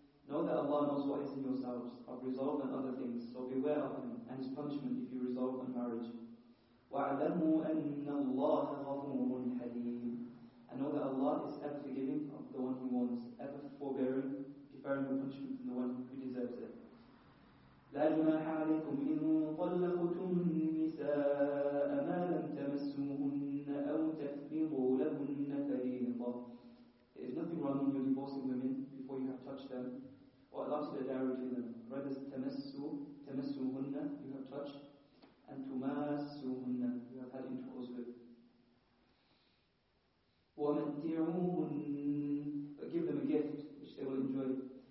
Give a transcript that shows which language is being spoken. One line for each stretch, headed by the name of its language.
English: Know that Allah knows what is in yourselves, of resolve and other things, so beware of Him and His punishment if you resolve on marriage.
Arabic: وَاعْلَمُوا أَنَّ اللَّهَ غَفُورٌ حَلِيمٌ.
English: And know that Allah is ever forgiving of the one He wants, ever forbearing, deferring the punishment from the one who deserves it.
Arabic: لا جناح عليكم إن طلقتم النساء ما لم تمسوهن أو تفرضوا لهن فريضة.
English: There is nothing wrong in your divorcing women before you have touched them, or adopted a dowry to them. Rather, tamassuhunna, you have touched, and tumassuhunna, you have had intercourse with. وَمَتِّعُوهُنَّ, give them a gift which they will enjoy.